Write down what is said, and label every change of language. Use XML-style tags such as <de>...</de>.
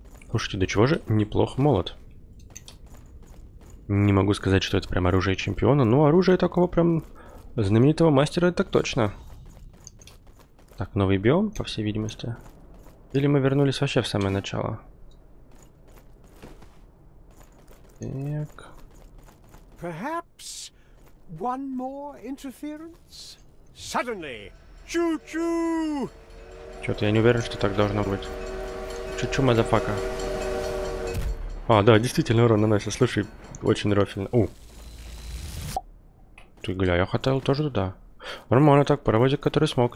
<ru>Слушайте, да чего же неплох молот. Не могу сказать, что это прям оружие чемпиона. Но оружие такого прям знаменитого мастера, это так точно. Так, новый биом, по всей видимости. Или мы вернулись вообще в самое начало? Так.</ru> <en>Perhaps one more interference? Suddenly, чу-чу!</en> <ru>Чё-то я не уверен, что так должно быть. Чу-чу, мазафака. А, да, действительно урон наносит. Слушай, очень рофильно. У. Ты гля, я хотел тоже туда. Нормально так, паровозик, который смог.</ru>